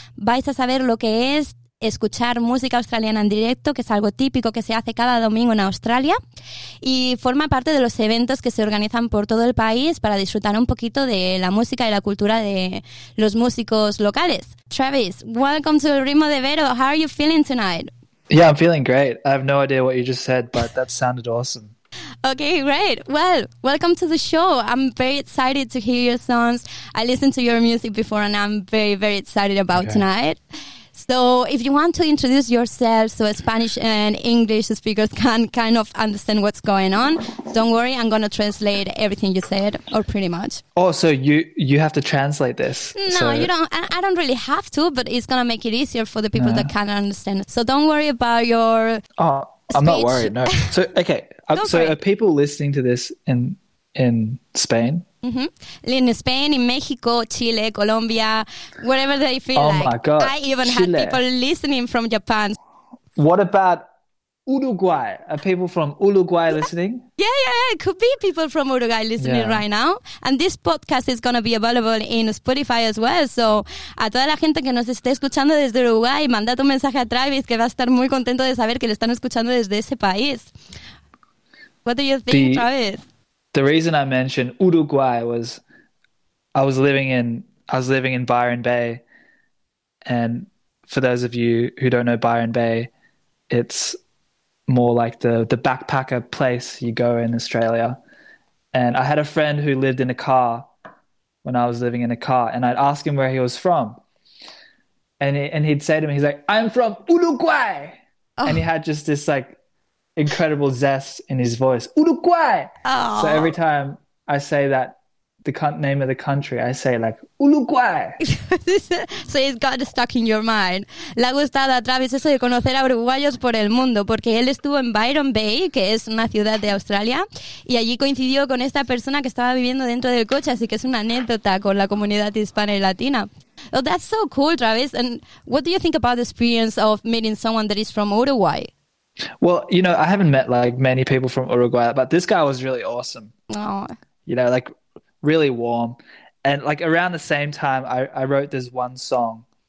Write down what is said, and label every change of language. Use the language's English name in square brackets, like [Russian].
[Spanish] Vais a saber lo que es escuchar música australiana en directo, que es algo típico que se hace cada domingo en Australia y forma parte de los eventos que se organizan por todo el país para disfrutar un poquito de la música y la cultura de los músicos locales. [English] Travis, welcome to Ritmo de Vero. How are you feeling tonight? Yeah, I'm feeling great. I have no idea what you just said, but that sounded awesome. Okay, great. Well, welcome to the show. I'm very excited to hear your songs. I listened to your music before and I'm very, very excited about tonight. So if you want to introduce yourself so Spanish and English speakers can kind of understand what's going on, don't worry, I'm going to translate everything you said, or pretty much. Oh, so you have to translate this? No, so. I don't really have to, but it's going to make it easier for the people that can't understand. So don't worry about your speech. I'm not worried, no. So, okay, are people listening to this in Spain? Mm-hmm. In Spain, in Mexico, Chile, Colombia, wherever they feel like. Oh my God. I even Chile. Had people listening from Japan. What about Uruguay? Are people from Uruguay listening? Yeah. It could be people from Uruguay listening right now. And this podcast is going to be available in Spotify as well. [Spanish] So, a toda la gente que nos esté escuchando desde Uruguay, manda tu mensaje a Travis, que va a estar muy contento de saber que lo están escuchando desde ese país. [English] What do you think, Travis? The reason I mentioned Uruguay was I was living in Byron Bay, and for those of you who don't know Byron Bay, it's more like the backpacker place you go in Australia. And I had a friend who lived in a car when I was living in a car, and I'd ask him where he was from, and he'd say to me, he's like, "I'm from Uruguay." Oh. And he had just this like incredible zest in his voice. Uruguay. Aww. So every time I say that, the name of the country, I say like Uruguay. So it's got stuck in your mind. [Spanish] Le ha gustado a Travis eso de conocer a uruguayos por el mundo, porque él estuvo en Byron Bay, que es una ciudad de Australia, y allí coincidió con esta persona que estaba viviendo dentro del coche, así que es una anécdota con la comunidad hispana y latina. [English] Oh, that's so cool, Travis. And what do you think about the experience of meeting someone that is from Uruguay? Well, you know, I haven't met like many people from Uruguay, but this guy was really awesome. Aww. You know, like really warm. And like around the same time, I wrote this one song.